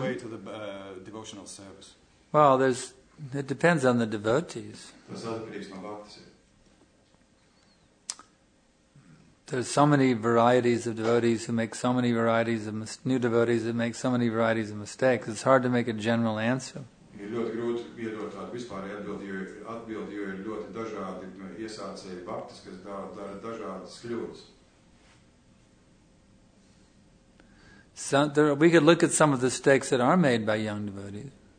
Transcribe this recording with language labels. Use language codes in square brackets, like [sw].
[en] way to the devotional service. Well, it depends on the devotees. [lv] Tas atkarīgs no Bhakti. [en] There's so many varieties of devotees who make so many varieties of new devotees that make so many varieties of mistakes. It's hard to make a general answer. [lv] Ir ļoti grūti iedot tādu vispārēju atbildi, jo ir ļoti dažādi iesācēji baktis, kas dara dažādas kļūdas. [en] We could look at some of the mistakes that are made by young devotees.